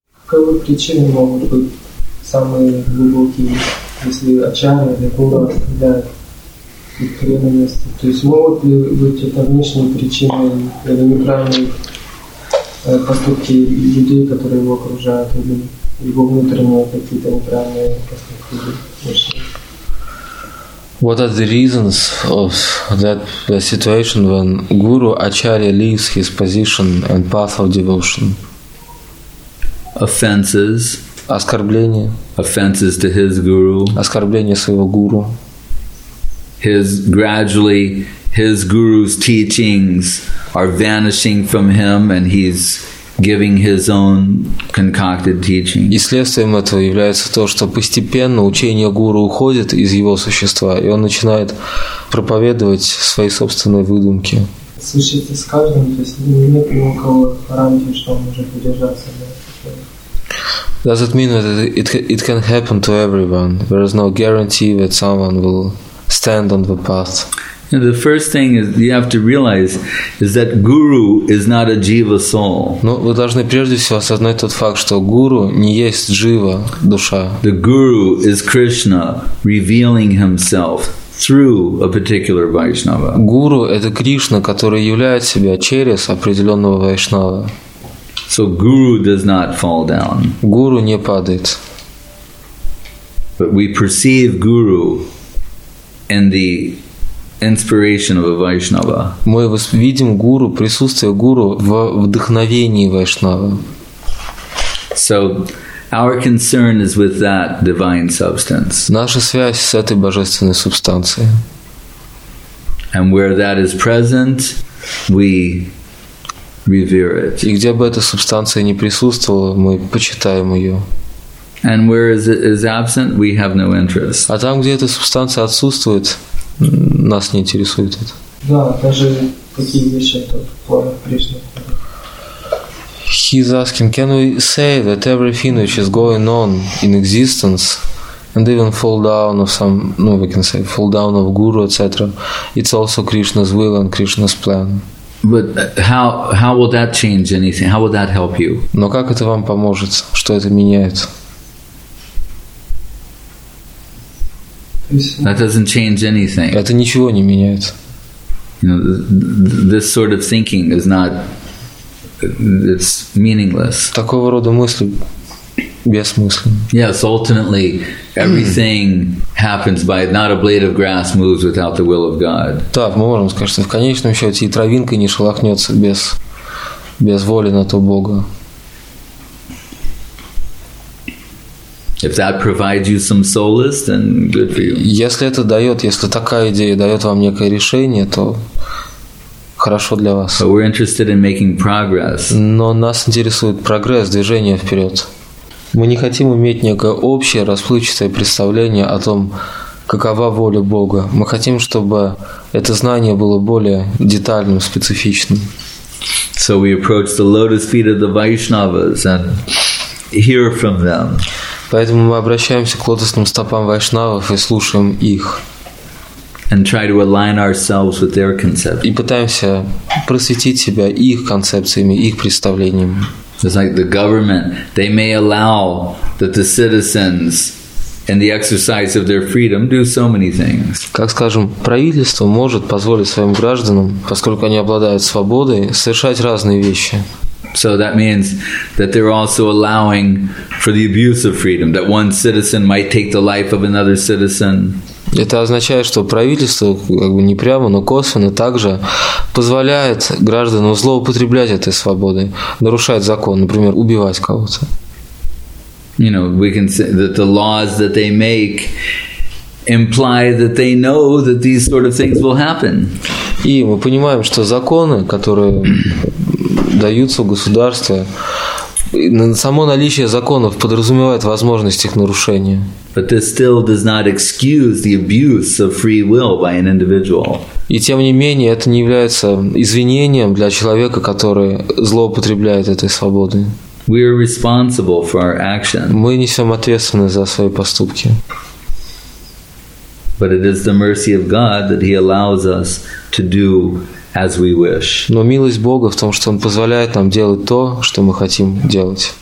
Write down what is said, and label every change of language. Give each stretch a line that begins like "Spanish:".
Russian: Каковы причины могут быть самые глубокие, если отчаяние, некуда, да, преданности? То есть могут ли быть это внешние причины или неправильные поступки людей, которые его окружают, или его внутренние какие-то неправильные поступки?
English: What are the reasons of that situation when Guru Acharya leaves his position and path of devotion? Offenses.
Russian: Оскорбление.
English: Offenses to his guru.
Russian: Оскорбление своего гуру.
English: His guru's teachings are vanishing from him and he's giving his own concocted teaching.
Russian: И следствием этого является то, что постепенно учение гуру уходит из его существа, и он начинает проповедовать свои собственные выдумки. Слышите, с каждым, то есть нет ни у кого гарантии, что он может удержаться.
English: Does it mean that it can happen to everyone? There is no guarantee that someone will stand on the path. And the first thing is you have to realize is that guru is not a jiva soul.
Russian: Но вы должны прежде всего осознать тот факт, что гуру не есть джива, душа.
English: The guru is Krishna revealing himself through a particular Vaishnava.
Russian: Гуру это Кришна, который являет себя через определенного вайшнава.
English: So guru does not fall down.
Russian: Гуру не падает.
English: But we perceive guru in the inspiration of a Vaishnava.
Russian: Мы видим гуру, присутствие гуру в вдохновении вайшнава.
English: So our concern is with that divine substance.
Russian: Наша связь с этой божественной субстанцией.
English: And where that is present, we revere it.
Russian: И где бы эта субстанция ни присутствовала, мы почитаем ее.
English: And where it is absent, we have no interest.
Russian: А там, где эта субстанция отсутствует, нас не интересует это. Да, даже такие вещи, как Кришна.
English: He's asking, can we say that everything which is going on in existence and even fall down of some, no, we can say fall down of guru, etc., it's also Krishna's will and Krishna's plan? But how will that change anything? How will that help you?
Russian: Но как это вам поможет? Что это меняет?
English: That doesn't change anything.
Russian: Это ничего не меняет.
English: You know, this sort of thinking is not, it's meaningless.
Russian: Такого рода мысли бессмысленны.
English: Yes, ultimately everything happens by not a blade of grass moves without the will of God.
Russian: Да, мы можем сказать, что в конечном счете и травинка не шелохнется без воли на то Бога.
English: If that provides you some solace, then good for you.
Russian: Если это дает, если такая идея дает вам некое решение, то хорошо для вас.
English: But we're interested in making progress.
Russian: Но нас интересует прогресс, движение вперед. Мы не хотим иметь некое общее расплывчатое представление о том, какова воля Бога. Мы хотим, чтобы это знание было более детальным, специфичным.
English: So we approach the lotus feet of the Vaishnavas and hear from them.
Russian: Поэтому мы обращаемся к лотосным стопам вайшнавов и слушаем их.
English: And try to align ourselves with their conception.
Russian: И пытаемся просветить себя их концепциями, их представлениями.
English: It's like the government, they may allow that the citizens in the exercise of their freedom do so many things.
Russian: Как скажем, правительство может позволить своим гражданам, поскольку они обладают свободой, совершать разные вещи.
English: So that means that they're also allowing for the abuse of freedom, that one citizen might take the life of another citizen.
Russian: Это означает, что правительство, как бы не прямо, но косвенно также позволяет гражданам злоупотреблять этой свободой, нарушать закон, например, убивать кого-то.
English: You know, we can say that the laws that they make imply that they know that these sort of things will happen.
Russian: И мы понимаем, что законы, которые даются в государстве, само наличие законов подразумевает возможность их нарушения.
English: But this still does not excuse the abuse of free will by an individual.
Russian: И тем не менее, это не является извинением для человека, который злоупотребляет этой свободой.
English: We are responsible for our actions.
Russian: Мы несем ответственность за свои поступки.
English: But it is the mercy of God that He allows us to do as we wish.
Russian: Но милость Бога в том, что Он позволяет нам делать то, что мы хотим делать.